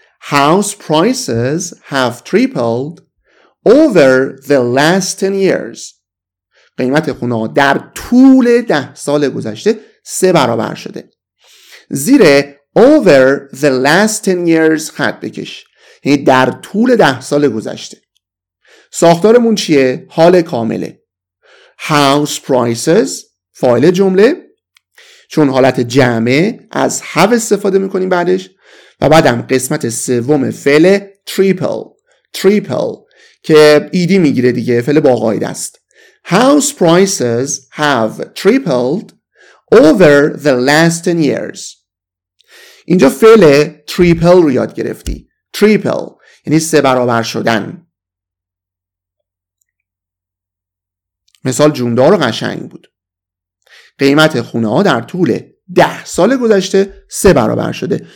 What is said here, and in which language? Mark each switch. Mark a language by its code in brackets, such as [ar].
[en] House prices have tripled over the last 10 years. [fa] قیمت خونه ها در طول 10 سال گذشته 3 برابر شده. زیر [en] over the last 10 years [fa] خط بکش، یعنی در طول 10 سال گذشته. ساختارمون چیه؟ حال کامله. House prices فاعل جمله، چون حالت جمع از have استفاده میکنیم بعدش، و بعدم قسمت سوم فعل triple که ایدی میگیره دیگه، فعل با قاعده است. [en] House prices have tripled over the last 10 years. [fa] اینجا فعل triple رو یاد گرفتی. triple یعنی سه برابر شدن. مثال جوندار و قشنگ بود. قیمت خونه ها در طول 10 سال گذشته 3 برابر شده.